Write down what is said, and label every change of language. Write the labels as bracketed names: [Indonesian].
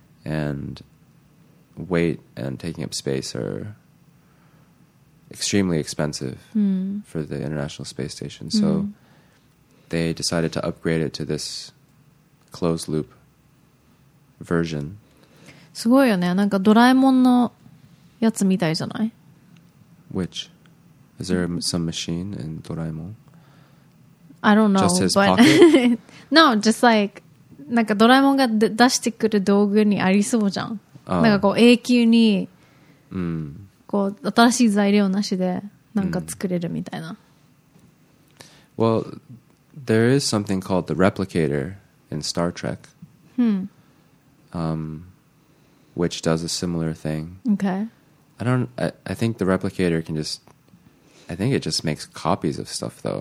[English] And weight and taking up space are extremely expensive for the International Space Station. So they decided to upgrade it to this closed loop version. [Japanese] すごいよね。なんかドラえもんのやつみたいじゃない? [English] Which? Is there some machine in Doraemon? I don't know. Just his but... pocket? No, just like, [Japanese] なんかドラえもんが出してくる道具にありそうじゃん。なんかこう永久に、こう新しい材料なしでなんか作れるみたいな。 [English] Well, there is something called the replicator in Star Trek. Which does a similar thing. Okay. I think the replicator can just... I think it just makes copies of stuff, though.